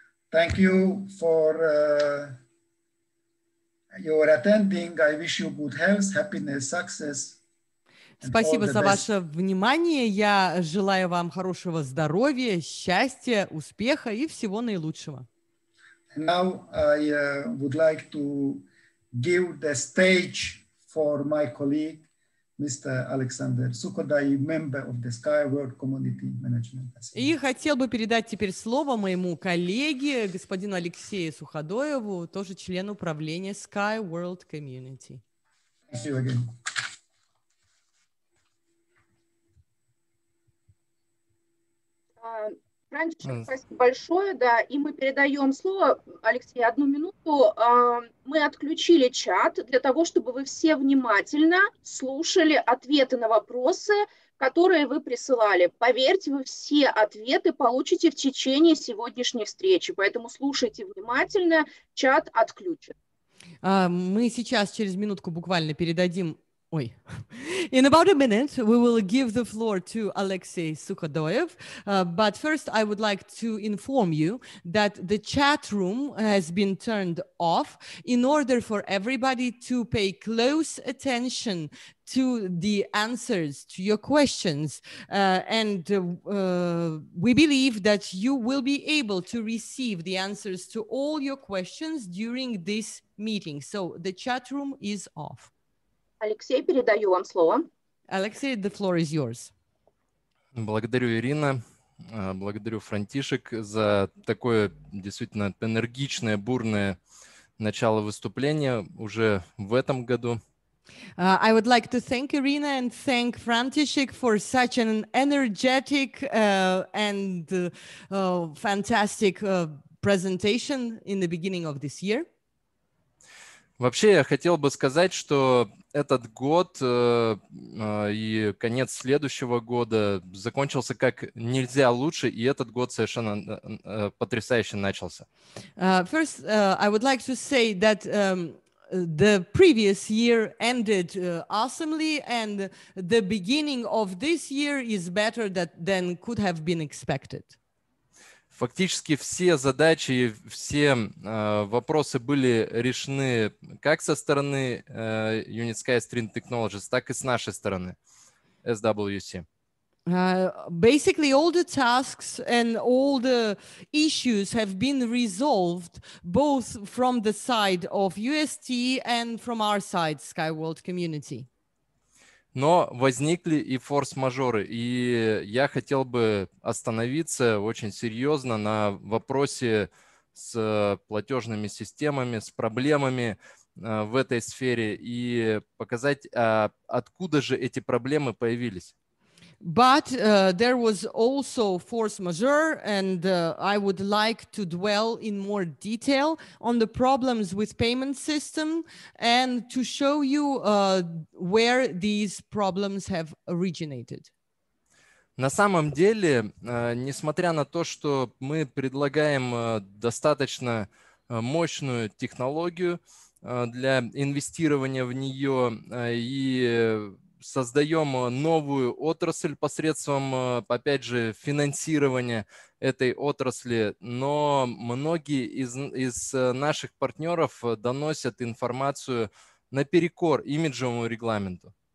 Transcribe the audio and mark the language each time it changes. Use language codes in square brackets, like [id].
[en] Thank you for your attending. I wish you good health, happiness, success. [ru] Спасибо за ваше внимание. Я желаю вам хорошего здоровья, счастья, успеха и всего наилучшего. [en] Now I would like to give the stage for my colleague, Mr. Alexander Sukhodai, member of the Skyward Community Management [ru] Assembly. И хотел бы передать теперь слово моему коллеге, господину Алексею Суходоеву, тоже члену управления Skyworld Community. [en] Thank you again. [ru] Франческо, спасибо большое, да, и мы передаем слово, Алексей, одну минуту, мы отключили чат для того, чтобы вы все внимательно слушали ответы на вопросы, которые вы присылали, поверьте, вы все ответы получите в течение сегодняшней встречи, поэтому слушайте внимательно, чат отключен. Мы сейчас через минутку буквально передадим... [en] In about a minute, we will give the floor to Alexei Sukhodoyev. But first, I would like to inform you that the chat room has been turned off in order for everybody to pay close attention to the answers to your questions. We believe that you will be able to receive the answers to all your questions during this meeting. So the chat room is off. [ru] Алексей, передаю вам слово. [en] Алексей, the floor is yours. [ru] Благодарю, Ирина. Благодарю, Франтишек, за такое действительно энергичное, бурное начало выступления уже в этом году. [en] I would like to thank Irina and thank František for such an energetic and fantastic presentation in the beginning of this year. [ru] Вообще, я хотел бы сказать, что этот год и конец следующего года закончился как нельзя лучше, и этот год совершенно потрясающе начался. [en] First, I would like to say that the previous year ended awesomely, and the beginning of this year is better than could have been expected. [ru] Фактически все задачи, все вопросы были решены как со стороны Unit Sky String Technologies, так и с нашей стороны, SWC. [en] Basically, all the tasks and all the issues have been resolved both from the side of UST and from our side, Skyworld Community. [ru] Но возникли и форс-мажоры, и я хотел бы остановиться очень серьезно на вопросе с платежными системами, с проблемами в этой сфере и показать, откуда же эти проблемы появились. [en] But there was also force majeure, and I would like to dwell in more detail on the problems with payment system and to show you where these problems have originated. [ru] На самом деле, несмотря на то, что мы предлагаем достаточно мощную технологию для инвестирования в нее и создаем новую отрасль посредством, опять же, финансирования этой отрасли, но многие из наших партнеров доносят информацию наперекор имиджевому регламенту.